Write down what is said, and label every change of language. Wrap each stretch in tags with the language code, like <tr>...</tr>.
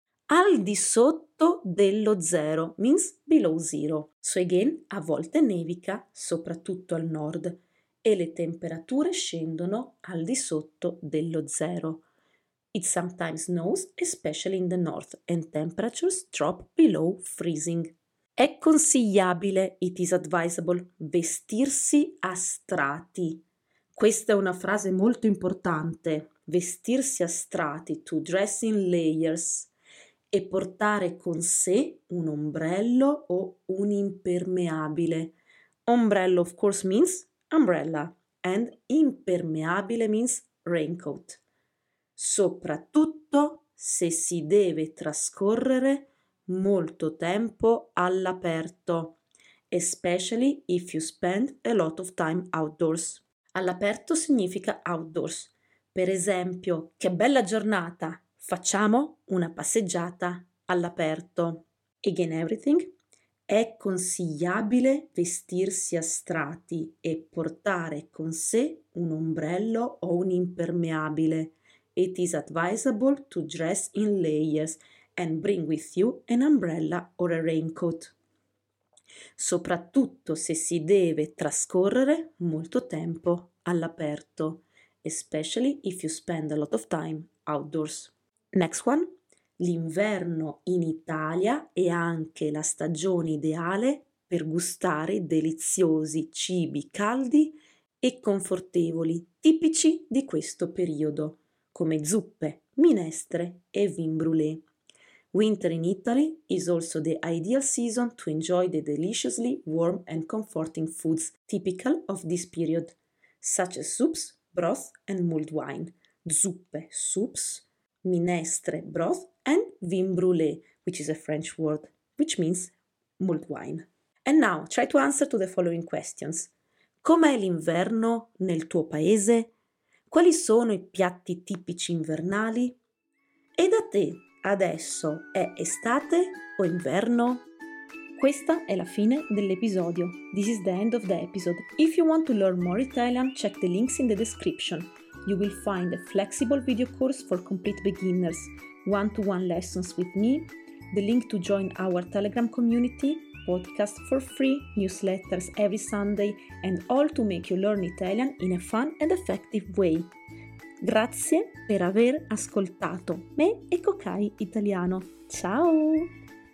<it>Al di sotto dello zero</it> <en>means below zero.</en> <it>So again, a volte nevica, soprattutto al nord, e le temperature scendono al di sotto dello zero.</it> <en>It sometimes snows, especially in the north, and temperatures drop below freezing.</en> <it>È consigliabile,</it> <en>it is advisable,</en> <it>vestirsi a strati. Questa è una frase molto importante. Vestirsi a strati,</it> <en>to dress in layers,</en> <it>e portare con sé un ombrello o un impermeabile.</it> <en>Ombrello, of course, means umbrella, and impermeabile means raincoat.</en> <it>Soprattutto se si deve trascorrere molto tempo all'aperto,</it> <en>especially if you spend a lot of time outdoors.</en> <it>All'aperto significa outdoors. Per esempio, che bella giornata! Facciamo una passeggiata all'aperto.</it> <en>Again everything.</en> <it>È consigliabile vestirsi a strati e portare con sé un ombrello o un impermeabile.</it> <en>It is advisable to dress in layers and bring with you an umbrella or a raincoat.</en> <it>Soprattutto se si deve trascorrere molto tempo all'aperto,</it> <en>especially if you spend a lot of time outdoors. Next one.</en> <it>L'inverno in Italia è anche la stagione ideale per gustare deliziosi cibi caldi e confortevoli tipici di questo periodo, come zuppe, minestre e vin brûlé.</it> <en>Winter in Italy is also the ideal season to enjoy the deliciously warm and comforting foods typical of this period, such as soups, broth and mulled wine, zuppe, soups, minestre, broth and vin brûlé, which is a French word, which means mulled wine. And now, try to answer to the following questions.</en> <it>Com'è l'inverno nel tuo paese? Quali sono i piatti tipici invernali? E da te, adesso è estate o inverno? Questa è la fine dell'episodio.</it> <en>This is the end of the episode. If you want to learn more Italian, check the links in the description. You will find a flexible video course for complete beginners, one-to-one lessons with me, the link to join our Telegram community, podcast for free, newsletters every Sunday, and all to make you learn Italian in a fun and effective way.</en> <it>Grazie per aver ascoltato me e Cocai Italiano. Ciao!</it>